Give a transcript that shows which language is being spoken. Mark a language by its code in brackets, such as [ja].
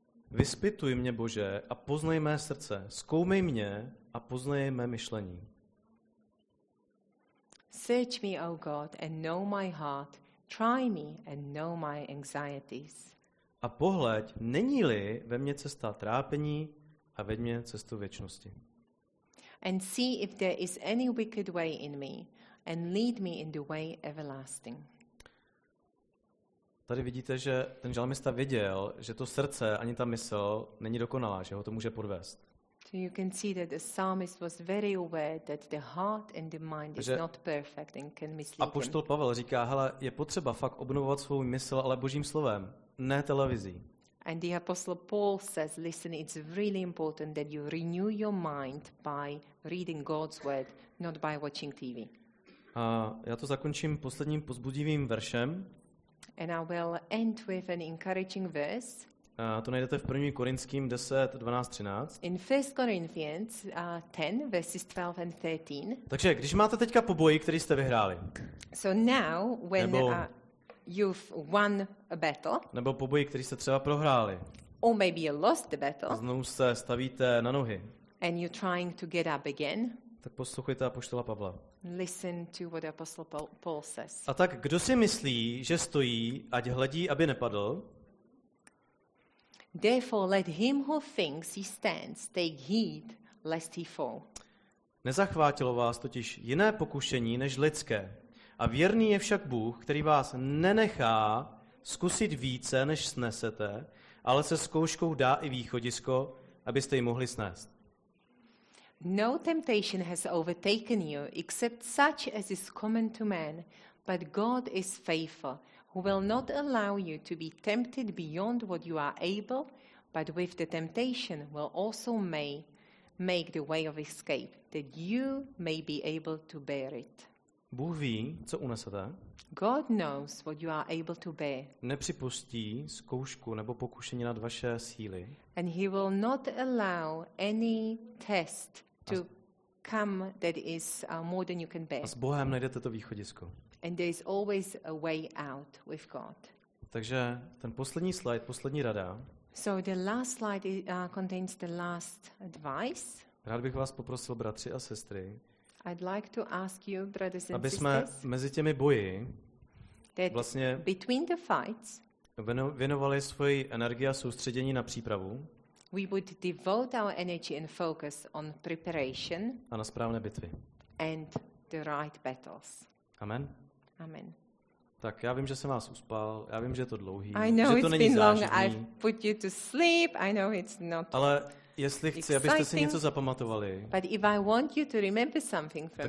[cs] Vyspytuj mě, Bože, a poznej mé srdce. Zkoumej mě a poznaje mé myšlení. [en] Search me, O God, and know my heart. Try me and know my anxieties. [cs] A pohleď, není-li ve mně cesta trápení a veď mě cestu věčnosti. [en] And see if there is any wicked way in me and lead me in the way everlasting. [cs] Tady vidíte, že ten žalmista věděl, že to srdce ani ta mysl není dokonalá, že ho to může podvést. [en] So you can see that the psalmist was very aware that the heart and the mind is not perfect and can mislead him. [cs] Apoštol Pavel říká, hele, je potřeba fakt obnovovat svou mysl, ale Božím slovem, ne televizí. [en] And the apostle Paul says, listen, it's really important that you renew your mind by reading God's word, not by watching TV. [cs] A já to zakončím posledním pozbudivým veršem. [en] And I will end with an encouraging verse. [cs] A to najdete v 1. Korinským 10, 12, 13. [en] In 1 Corinthians 10, verses 12 and 13. [cs] Takže, když máte teďka po boji, který jste vyhráli. [en] So now, when you've won a battle. [cs] Nebo po boji, který jste třeba prohráli. [en] Or maybe you lost the battle. [cs] Znovu se stavíte na nohy. [en] And you're trying to get up again. [cs] Tak poslouchejte apoštola Pavla. [en] Listen to what apostle Paul says. [cs] A tak, kdo si myslí, že stojí, ať hledí, aby nepadl? [en] Therefore, let him who thinks he stands take heed, lest he fall. [cs] Nezachvátilo vás totiž jiné pokušení než lidské. A věrný je však Bůh, který vás nenechá zkusit více, než snesete, ale se zkouškou dá i východisko, abyste ji mohli snést. [en] No temptation has overtaken you except such as is common to man, but God is faithful, who will not allow you to be tempted beyond what you are able, but with the temptation will also make the way of escape, that you may be able to bear it. [cs] Bůh ví, co unesete. [en] God knows what you are able to bear. [cs] Nepřipustí zkoušku nebo pokušení nad vaše síly. [en] And he will not allow any test to come that is more than you can bear. [cs] A s Bohem najdete to východisko. [en] And there is always a way out with God. [cs] Takže ten poslední slide, poslední rada. [en] So the last slide contains the last advice. [cs] Rád bych vás poprosil, bratři a sestry, [en] I'd like to ask you, brothers and [cs] aby [en] sisters, [cs] jsme mezi těmi boji vlastně [en] between the fights, [cs] věnovali svoji energii a soustředění na přípravu [en] we would devote our energy and focus on preparation [cs] a na správné bitvy. [en] And the right battles. [cs] Amen. [en] Amen. [cs] Tak já vím, že jsem vás uspal, já vím, že je to dlouhý, [en] I know [cs] že to [en] it's [cs] není [en] been [cs] zážitný. [en] Long. I've put you to sleep. I know it's not [cs] ale jestli chci, [en] exciting, [cs] abyste si něco zapamatovali, [en] but if I want you to remember something from